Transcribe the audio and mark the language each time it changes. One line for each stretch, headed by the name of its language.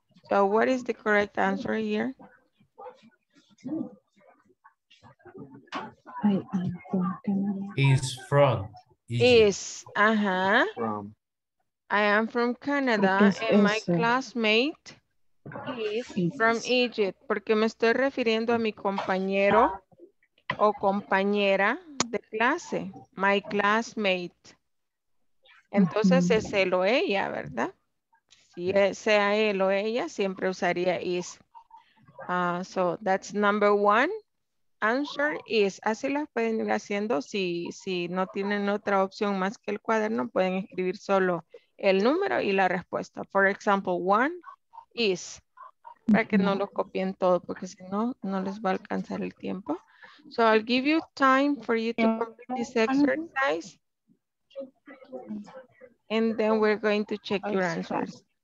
English: So what is the correct answer here? I am from Canada. Is from. Is. Uh-huh. From. I am from Canada and my classmate is from Egypt.
Spanish: Porque me estoy refiriendo a mi compañero o compañera de clase.
English: My classmate.
Spanish: Entonces es él o ella, ¿verdad? Si sea él o ella, siempre usaría is.
English: So that's number one. Answer is.
Spanish: Así las pueden ir haciendo. Si no tienen otra opción más que el cuaderno, pueden escribir solo el número y la respuesta.
English: For example, one is.
Spanish: Para que no lo copien todo, porque si no, no les va a alcanzar el tiempo.
English: So I'll give you time for you to complete this exercise. And then we're going to check your answers.